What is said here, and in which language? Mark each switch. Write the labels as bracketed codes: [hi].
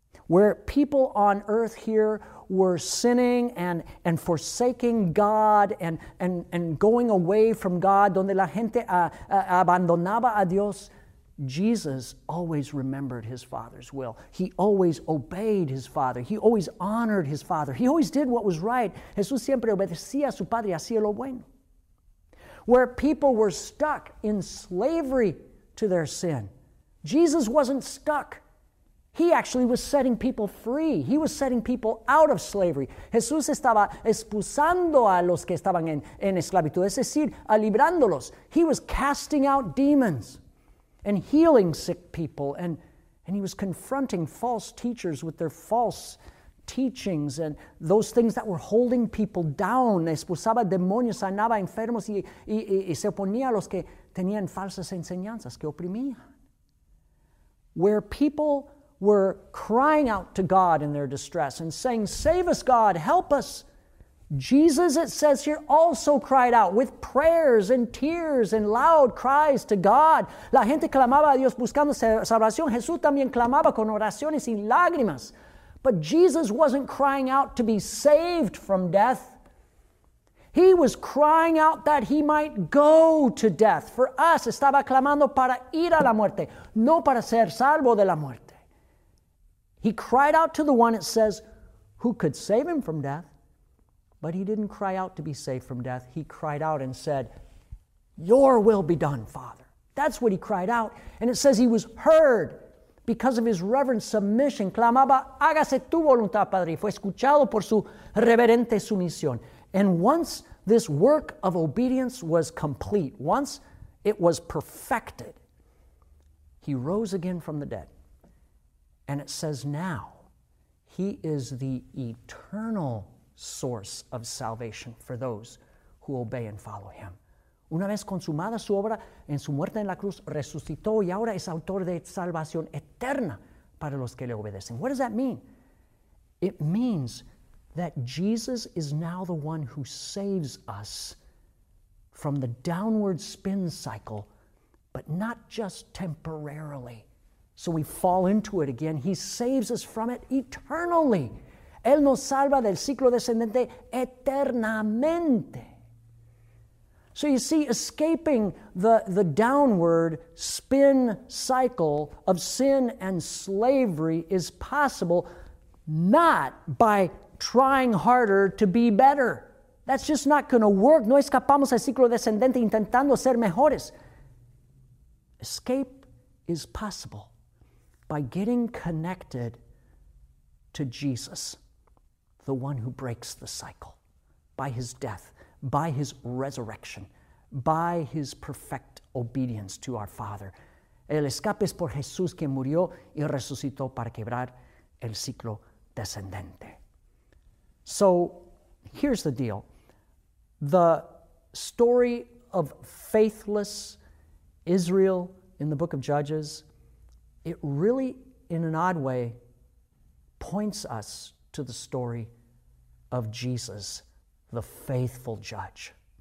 [en] where people on earth here were sinning and forsaking God and going away from God, [es] donde la gente abandonaba a Dios, [en] Jesus always remembered his Father's will. He always obeyed his Father. He always honored his Father. He always did what was right. [es] Jesús siempre obedecía a su Padre, hacía lo bueno. [en] Where people were stuck in slavery to their sin, Jesus wasn't stuck. He actually was setting people free. He was setting people out of slavery. [es] Jesús estaba expulsando a los que estaban en esclavitud, es decir, a librándolos. [en] He was casting out demons and healing sick people, and he was confronting false teachers with their false teachings and those things that were holding people down. [es] Expulsaba demonios, sanaba enfermos y se oponía a los que tenían falsas enseñanzas que oprimían. [en] Where people were crying out to God in their distress and saying, "Save us, God, help us." Jesus, it says here, also cried out with prayers and tears and loud cries to God. [es] La gente clamaba a Dios buscando salvación. Jesús también clamaba con oraciones y lágrimas. [en] But Jesus wasn't crying out to be saved from death. He was crying out that he might go to death. For us, [es] estaba clamando para ir a la muerte, no para ser salvo de la muerte. [en] He cried out to the one, it says, who could save him from death. But he didn't cry out to be saved from death. He cried out and said, "Your will be done, Father." That's what he cried out. And it says he was heard because of his reverent submission. [es] Clamaba, "Hágase tu voluntad, Padre." Fue escuchado por su reverente sumisión. [en] And once this work of obedience was complete, once it was perfected, he rose again from the dead. And it says now he is the eternal source of salvation for those who obey and follow him. [es] Una vez consumada su obra en su muerte en la cruz, resucitó y ahora es autor de salvación eterna para los que le obedecen. [en] What does that mean? It means that Jesus is now the one who saves us from the downward spin cycle, but not just temporarily. So we fall into it again. He saves us from it eternally. [es] Él nos salva del ciclo descendente eternamente. [en] So you see, escaping the downward spin cycle of sin and slavery is possible not by trying harder to be better. That's just not going to work. [es] No escapamos del ciclo descendente intentando ser mejores. [en] Escape is possible by getting connected to Jesus, the one who breaks the cycle, by his death, by his resurrection, by his perfect obedience to our Father. [es] El escape es por Jesús, quien murió y resucitó para quebrar el ciclo descendente. [en] So here's the deal. The story of faithless Israel in the book of Judges, it really, in an odd way, points us to the story of Jesus, the faithful judge.